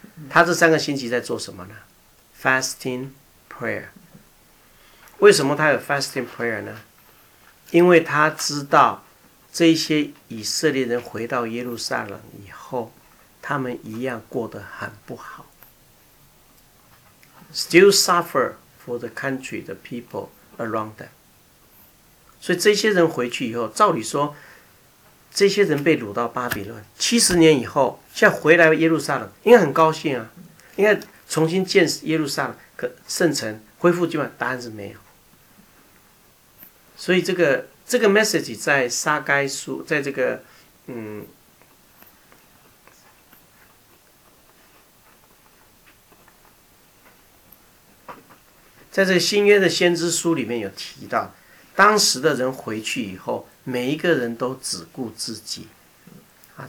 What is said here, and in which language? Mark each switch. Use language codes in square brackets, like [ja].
[zh] 他这三个星期在做什么呢 ？ [en] Fasting, prayer。” [zh] 为什么他有 [en] fasting prayer [zh] 呢？因为他知道这些以色列人回到耶路撒冷以后，他们一样过得很不好。 [en] Still suffer for the country, the people around them. [zh] 所以这些人回去以后，照理说，这些人被掳到巴比伦70年以后，现在回来耶路撒冷，应该很高兴啊，应该重新建耶路撒冷，可圣城恢复基本，答案是没有。所以这个 message 在撒该书，在这个在这个新约的先知书里面有提到，当时的人回去以后，每一个人都只顾自己啊。